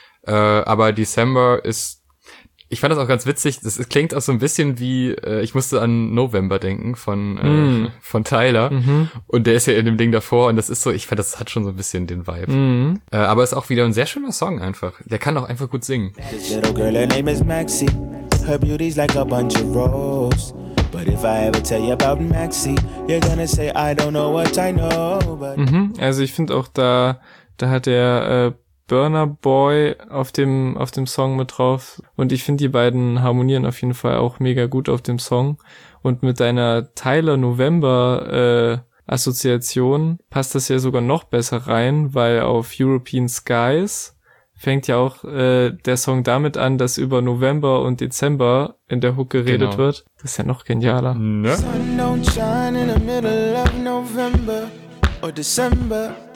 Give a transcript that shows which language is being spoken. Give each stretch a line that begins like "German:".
German: Aber December ist, ich fand das auch ganz witzig, das klingt auch so ein bisschen wie, ich musste an November denken von Tyler. Mhm. Und der ist ja in dem Ding davor, und das ist so, ich fand, das hat schon so ein bisschen den Vibe. Mhm. Aber ist auch wieder ein sehr schöner Song einfach. Der kann auch einfach gut singen.
English: Little girl, her name is Maxi. Her beauty's like a bunch of rose. But if I ever tell you about Maxi, you're gonna say I don't know what I know. But
German: also ich finde auch, da hat der Burner Boy auf dem Song mit drauf. Und ich finde, die beiden harmonieren auf jeden Fall auch mega gut auf dem Song. Und mit deiner Tyler November Assoziation passt das ja sogar noch besser rein, weil auf European Skies fängt ja auch der Song damit an, dass über November und Dezember in der Hook geredet wird. Das ist ja noch genialer. Ne?
English: Sun don't shine in the middle of November or December.